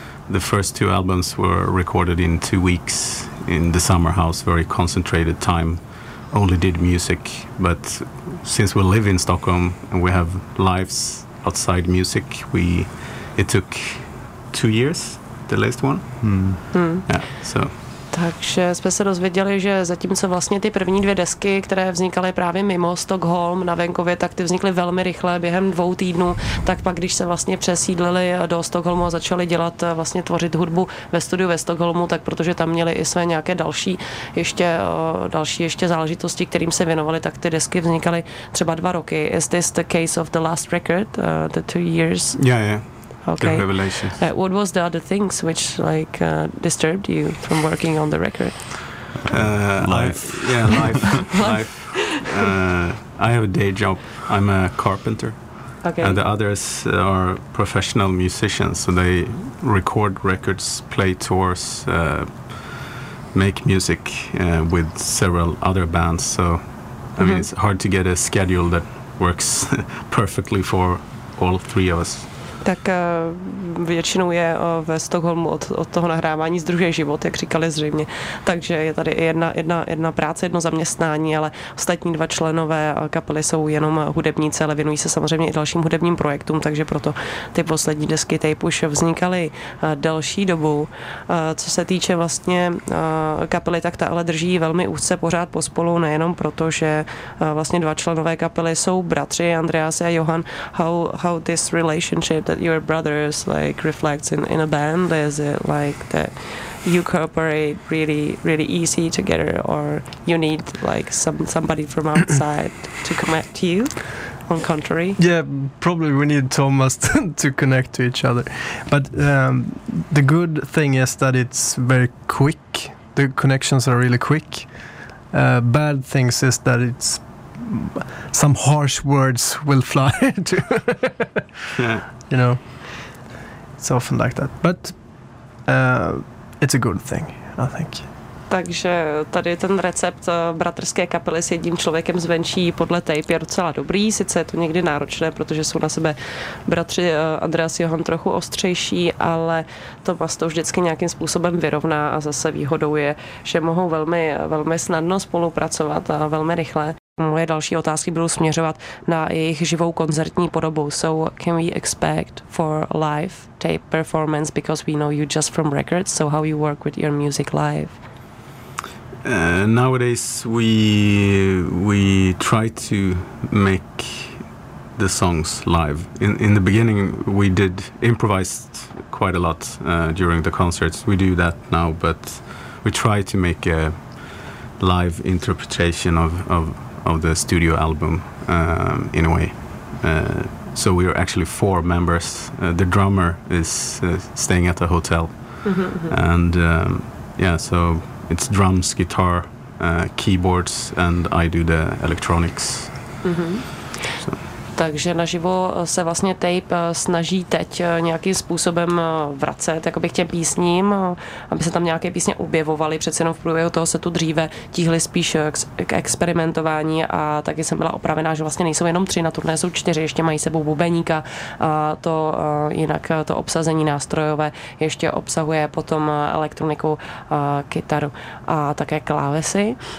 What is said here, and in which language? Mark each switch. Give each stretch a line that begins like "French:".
English: The first two albums were recorded in 2 weeks in the summer house, very concentrated time. Only did music, but since we live in Stockholm and we have lives outside music, it took 2 years, the last one. Yeah, so.
Czech: Takže jsme se dozvěděli, že zatímco vlastně ty první dvě desky, které vznikaly právě mimo Stockholm na venkově, tak ty vznikly velmi rychle, během 2 týdnů, tak pak, když se vlastně přesídlili do Stockholmu a začali dělat, vlastně tvořit hudbu ve studiu ve Stockholmu, tak protože tam měli i své nějaké další záležitosti, kterým se věnovali, tak ty desky vznikaly třeba 2 roky.
English: Is this the case of the last record, the 2 years? Yeah, yeah. Okay. The revelations. What was the other things which like disturbed you from working on the record? Life. Life. I have a day job. I'm a carpenter. Okay. And the others are professional musicians, so they record records, play tours, make music with several other bands. So I mean, it's hard to get a schedule that works perfectly for all 3 of us.
Czech: Tak většinou je ve Stockholmu od toho nahrávání združuje život, jak říkali zřejmě. Takže je tady jedna práce, jedno zaměstnání, ale ostatní 2 členové kapely jsou jenom hudebníci, ale věnují se samozřejmě i dalším hudebním projektům, takže proto ty poslední desky Tape už vznikaly delší dobu. Co se týče vlastně kapely, tak ta ale drží velmi úzce pořád pospolu, nejenom proto, že vlastně 2 členové kapely jsou bratři, Andreas a Johan.
English: How this relationship that your brothers like reflects in a band? Is it like that you cooperate really, really easy together, or you need like somebody from outside to connect to you? On contrary? Yeah, probably we need Thomas to connect to each other. But the good thing is that it's very quick. The connections are really quick. Bad things is that it's some harsh words will fly to. Yeah. You know, it's often like that. But it's a good thing, I think.
Czech: Takže tady ten recept bratrské kapely s jedním člověkem zvenčí podle tape je docela dobrý, sice je to někdy náročné, protože jsou na sebe bratři Andreas Johan trochu ostřejší, ale Tomas to vždycky nějakým způsobem vyrovná a zase výhodou je, že mohou velmi, velmi snadno spolupracovat a velmi rychle. Moje další otázky budou směřovat na jejich živou koncertní podobu.
English: So, can we expect for live tape performance, because we know you just from records, so how you work with your music live? Nowadays we try to make the songs live. In the beginning we did improvise quite a lot during the concerts. We do that now, but we try to make a live interpretation of the studio album in a way. So we are actually four members. The drummer is staying at the hotel. And yeah, so it's drums, guitar, keyboards, and I do the electronics. Mm-hmm. So.
Czech: Takže naživo se vlastně tape snaží teď nějakým způsobem vracet jakoby k těm písním, aby se tam nějaké písně objevovaly. Přece jenom v průběhu toho se tu dříve tíhly spíš k experimentování a taky jsem byla opravená, že vlastně nejsou jenom tři na turné, jsou čtyři, ještě mají sebou bubeníka a to jinak to obsazení nástrojové ještě obsahuje potom elektroniku, kytaru a také klávesy.